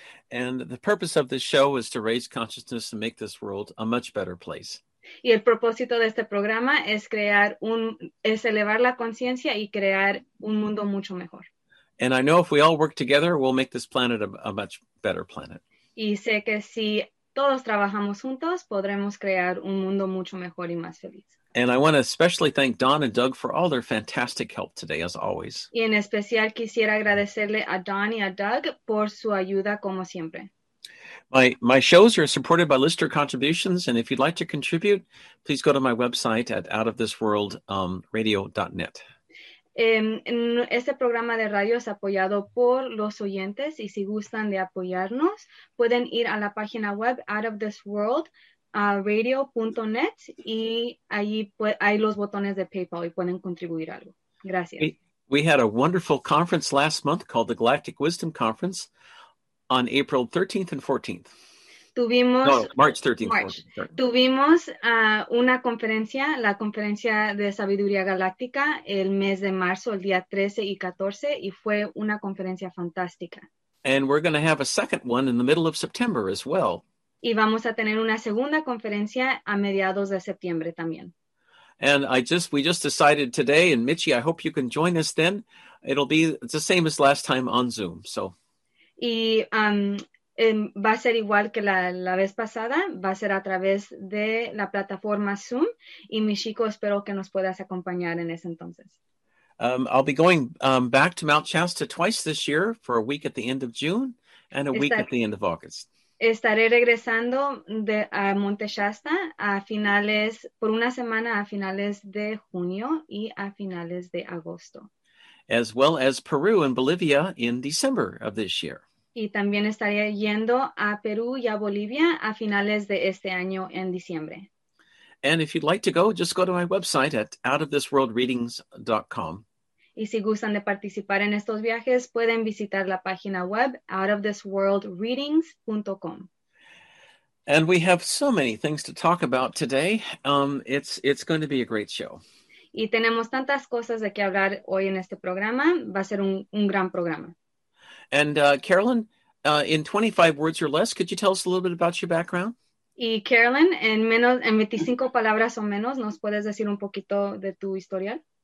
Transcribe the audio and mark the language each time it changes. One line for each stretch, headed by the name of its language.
English: And the purpose of this show is to raise consciousness and make this world a much better place.
Spanish: Y el propósito de este programa es crear es elevar la conciencia y crear un mundo mucho mejor.
English: And I know if we all work together, we'll make this planet a much better planet.
Spanish: Y sé que si todos trabajamos juntos, podremos crear un mundo mucho mejor y más feliz.
English: And I want to especially thank Don and Doug for all their fantastic help today, as always.
Spanish: Y en especial quisiera agradecerle a Don y a Doug por su ayuda como siempre.
English: My shows are supported by listener contributions, and if you'd like to contribute, please go to my website at outofthisworldradio.net.
Spanish: Este programa de radio es apoyado por los oyentes, y si gustan de apoyarnos, pueden ir a la página web outofthisworldradio.net, y allí hay los botones de PayPal y pueden contribuir algo. Gracias.
English: We had a wonderful conference last month called the Galactic Wisdom Conference. On April 13th and 14th. March 13th.
Spanish: Tuvimos una conferencia, la conferencia de sabiduría galáctica, el mes de marzo, el día 13 y 14, y fue una conferencia fantástica.
English: And we're going to have a second one in the middle of September as well.
Spanish: Y vamos a tener una segunda conferencia a mediados de septiembre también.
English: And we just decided today, and Michi, I hope you can join us then. It'll be the same as last time on Zoom, so...
Spanish: Y va a ser igual que la vez pasada, va a ser a través de la plataforma Zoom, y Michiko, espero que nos puedas acompañar en ese entonces.
English: I'll be going back to Mount Shasta twice this year for a week at the end of June and week at the end of August.
Spanish: Estaré regresando a Monte Shasta por una semana a finales de junio y a finales de agosto.
English: As well as Peru and Bolivia in December of this year.
Spanish: Y también estaré yendo a Perú y a Bolivia a finales de este año en diciembre.
English: And if you'd like to go, just go to my website at outofthisworldreadings.com.
Spanish: Y si gustan de participar en estos viajes, pueden visitar la página web outofthisworldreadings.com.
English: And we have so many things to talk about today. It's going to be a great show.
Spanish: Y tenemos tantas cosas de qué hablar hoy en este programa. Va a ser un gran programa.
English: And Carolyn, in 25 words or less, could you tell us a little bit about your background?
Spanish: Y Carolyn, en 25 palabras o menos, ¿nos puedes decir un poquito de tu historial?